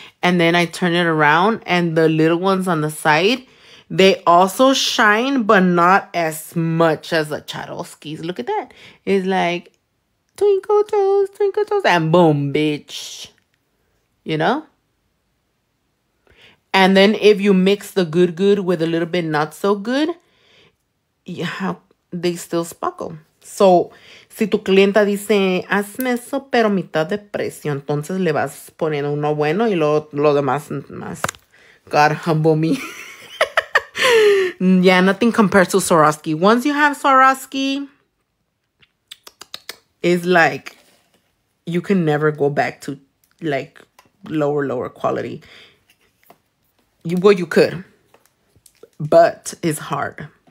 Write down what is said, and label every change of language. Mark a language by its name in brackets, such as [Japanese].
[English] And then I turn it around and the little ones on the side, they also shine, but not as much as the Charoskis. Look at that. It's like twinkle toes, and boom, bitch. You know? And then if you mix the good good with a little bit not so good, you have, they still sparkle. [Spanish] So, si tu clienta dice, hazme eso, pero mitad de precio, entonces le vas poniendo uno bueno y lo demás más. [English] God, humble me. Yeah, nothing compares to Swarovski. Once you have Swarovski, it's like you can never go back to like lower quality. You could, but it's hard.